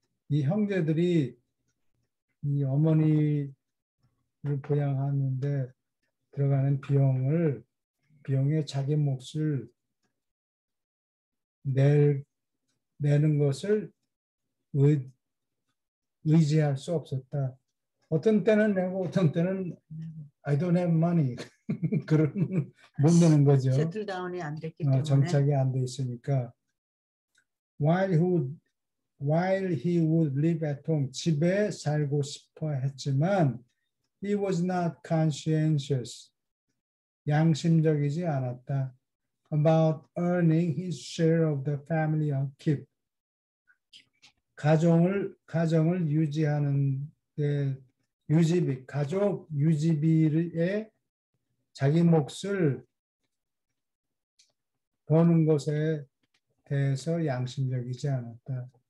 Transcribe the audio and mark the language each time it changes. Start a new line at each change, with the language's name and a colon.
Korean: 이 형제들이 이 어머니를 부양하는데 들어가는 비용을 비용에 자기 몫을 내는 것을 의지할 수 없었다. 어떤 때는 내고 어떤 때는
English: I don't have money.
Korean: 그런 못 내는 거죠. 세틀다운이 안 됐기 때문에. 정착이 안 돼 있으니까.
English: While he would live at home,
Korean: 집에 살고 싶어 했지만
English: he was not conscientious.
Korean: 양심적이지 않았다.
English: About earning his share of the family upkeep.
Korean: 가정을 유지하는 데 유지비, 가족 유지비에 자기 몫을 버는 것에 대해서 양심적이지 않았다.